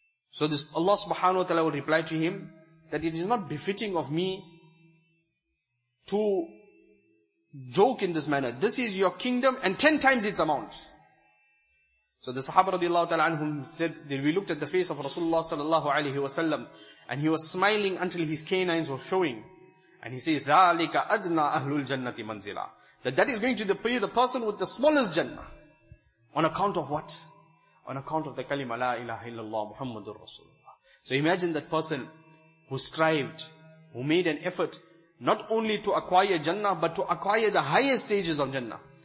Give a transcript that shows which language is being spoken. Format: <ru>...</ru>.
<en>So this Allah subhanahu wa ta'ala will reply to him, that it is not befitting of me to joke in this manner. This is your kingdom and 10 times its amount. So the Sahaba radiallahu ta'ala anhum said that we looked at the face of Rasulullah sallallahu alayhi wa sallam and he was smiling until his canines were showing. And he said,</en> <ar>ذَلِكَ أَدْنَى أَهْلُ الْجَنَّةِ مَنْزِلًا.</ar> <en>That is going to be the person with the smallest Jannah. On account of what? On account of the kalima la ilaha illallah Muhammadur Rasulullah. So imagine that person who strived, who made an effort not only to acquire Jannah but to acquire the highest stages of Jannah.</en>